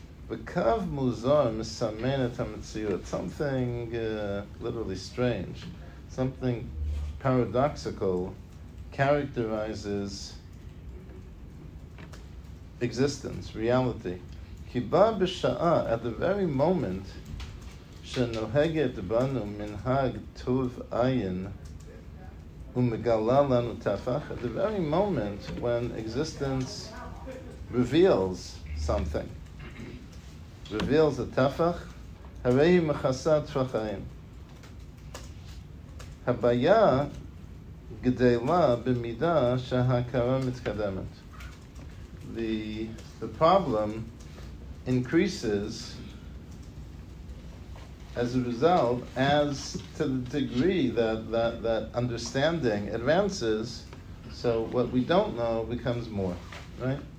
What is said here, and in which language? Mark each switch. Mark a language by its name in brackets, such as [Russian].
[Hebrew] Vekav muzar misamen et hamitziyot. [English] Something literally strange, something paradoxical characterizes existence, reality. [Hebrew] Kiba b'sha'a, [English] at the very moment [Hebrew] שנוהגת בנו מנהג טוב עין ומגלה לנו תפח. [English] At the very moment when existence reveals something, reveals a tafach, [Hebrew] הרי היא מכסה טפח עין. הבעיה גדלה במידה שההכרה מתקדמת. [English] The problem increases as a result, as to the degree that understanding advances, so what we don't know becomes more, right?